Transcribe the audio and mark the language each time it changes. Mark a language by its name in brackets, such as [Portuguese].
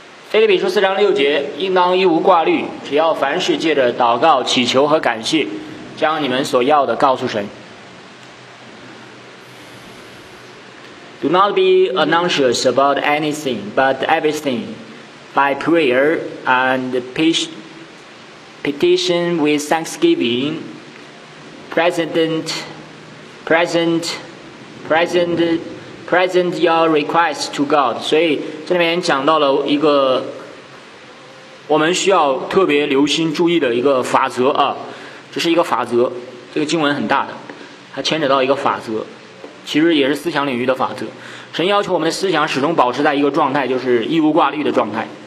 [Chinese] 腓立比书四章六节，应当一无挂虑，只要凡事借着祷告、祈求和感谢，将你们所要的告诉神。 [English] Do not be anxious about anything, but everything by prayer and petition with thanksgiving, present your request to God. [Chinese] 所以这里面讲到了一个我们需要特别留心注意的一个法则啊，这是一个法则，这个经文很大的，它牵扯到一个法则，其实也是思想领域的法则。神要求我们的思想始终保持在一个状态，就是一无挂虑的状态。